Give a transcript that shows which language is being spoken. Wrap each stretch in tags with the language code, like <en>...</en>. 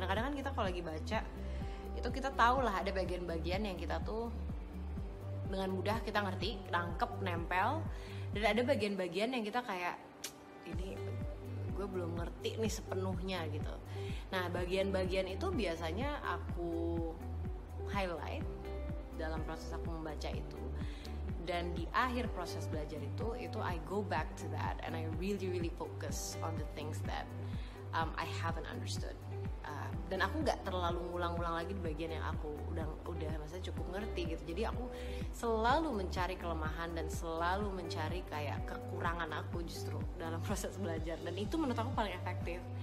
<id>Kadang-kadang kan kita kalau lagi baca itu kita tahu lah ada bagian-bagian yang kita tuh dengan mudah kita ngerti, rangkep, nempel. Dan ada bagian-bagian yang kita kayak, ini gue belum ngerti nih sepenuhnya gitu. Nah, bagian-bagian itu biasanya aku highlight dalam proses aku membaca itu. Dan di akhir proses belajar itu</id> <en>I go back to that and I really really focus on the things that I haven't understood.</en> <id>Dan aku nggak terlalu ngulang-ulang lagi di bagian yang aku udah maksudnya cukup ngerti gitu. Jadi aku selalu mencari kelemahan dan selalu mencari kayak kekurangan aku justru dalam proses belajar. Dan itu menurut aku paling efektif.</id>